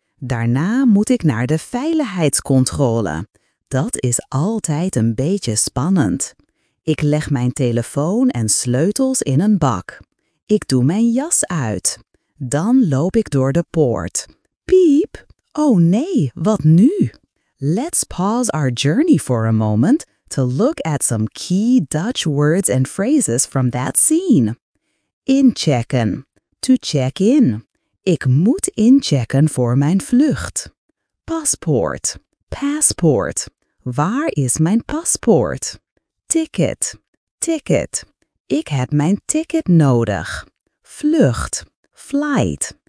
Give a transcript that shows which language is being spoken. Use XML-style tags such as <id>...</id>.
<nl>Daarna moet ik naar de veiligheidscontrole. Dat is altijd een beetje spannend. Ik leg mijn telefoon en sleutels in een bak. Ik doe mijn jas uit. Dan loop ik door de poort. Piep! Oh nee, wat nu?</nl> <en>Let's pause our journey for a moment to look at some key Dutch words and phrases from that scene. Inchecken. To check in.</en> <nl>Ik moet inchecken voor mijn vlucht. Paspoort. Passport. Waar is mijn paspoort? Ticket. Ticket. Ik heb mijn ticket nodig. Vlucht. Flight.</nl>